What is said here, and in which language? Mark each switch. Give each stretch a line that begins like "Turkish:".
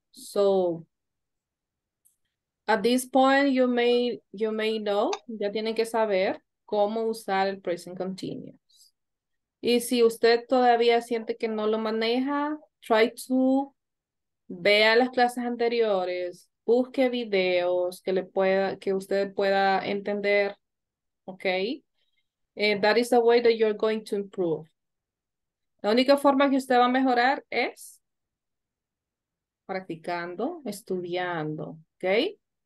English: So, at this point, you may know,
Spanish: ya tienen que saber cómo usar el
English: present continuous.
Spanish: Y si usted todavía siente que no lo maneja,
English: try to
Spanish: vea las clases anteriores, busque videos que le pueda, que usted pueda entender, okay?
English: And that is the way that you're going to improve.
Spanish: La única forma que usted va a mejorar es practicando, estudiando, okay?